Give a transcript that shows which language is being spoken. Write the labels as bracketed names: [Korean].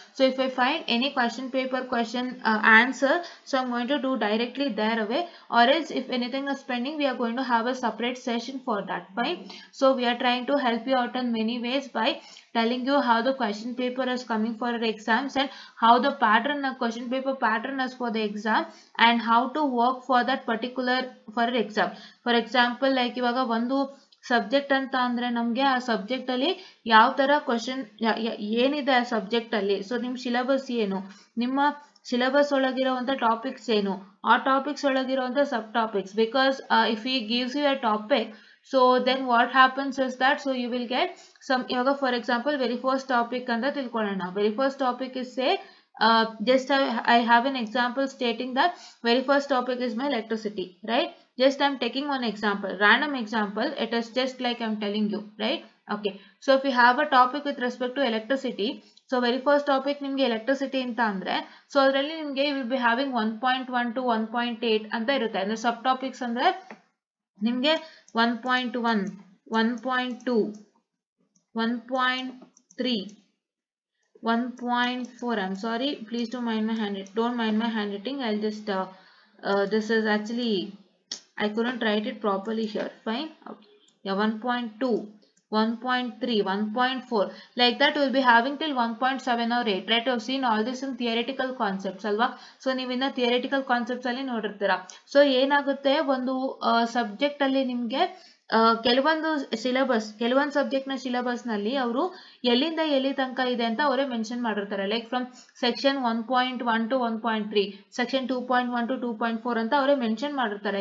[English] So if I find any question paper question answer, so I'm going to do directly there away, or else if anything is pending, we are going to have a separate session for that. Fine. So we are trying to help you out in many ways by telling you how the question paper is coming for our exams, and how the pattern, the question paper pattern is for the exam, and how to work for that particular for an exam. For example, like [Kannada] ivaga vandu subject ಅಂತ ಅಂದ್ರೆ ನಮ್ಗೆ ಆ subject ಅಲ್ಲಿ ಯಾವ ತರ question ಏನಿದೆ ಆ subject ಅಲ್ಲಿ. ಸೊ ನಿಮ್ ಸಿಲೆಬಸ್ ಏನು, ನಿಮ್ಮ ಸಿಲೆಬಸ್ ಒಳಗಿರುವಂತ ಟಾಪಿಕ್ಸ್ ಏನು, ಆ topics ಒಳಗಿರುವಂತ sub topics. [English] Because if he gives you a topic, so then what happens is that, so you will get some. [Kannada] ಇವಾಗ [English] for example, very first topic [Kannada] ಅಂತ ತಿಳ್ಕೊಳ್ಳೋಣ. [English] Very first topic is say just I have an example stating that very first topic is my electricity, right? Just I'm taking one example, random example, it is just like I'm telling you, right? Okay, so if you have a topic with respect to electricity, so very first topic [Kannada] nimge electricity anta andre, so adralli nimge [English] you will be having 1.1 to 1.8 [Kannada] anta irutte, [English] and the subtopics [Kannada] andre nimge [English] 1.1 1.2 1.3 1.4. I'm sorry, please don't mind my handwriting, I'll just this is actually I couldn't write it properly here. Fine. Okay. Yeah, 1.2 1.3 1.4, like that we'll be having till 1.7 or 8, right? You've seen all this in theoretical concepts alwa. [Kannada] So neevina theoretical concepts alli nodirthira. So yenagutte ondu subject alli nimge ಕೆಲವೊಂದು syllabus, ಕೆಲವೊಂದು subject ನ syllabus ನಲ್ಲಿ ಅವರು ಎಲ್ಲಿಂದ ಎಲ್ಲಿ ತನಕ ಇದೆ ಅಂತ ಅವರೇ ಮೆನ್ಷನ್ ಮಾಡಿರ್ತಾರೆ. [English] like from section 1.1 to 1.3, [Kannada] section 2.1 to 2.4 ಅಂತ ಅವರೇ ಮೆನ್ಷನ್ ಮಾಡಿರ್ತಾರೆ.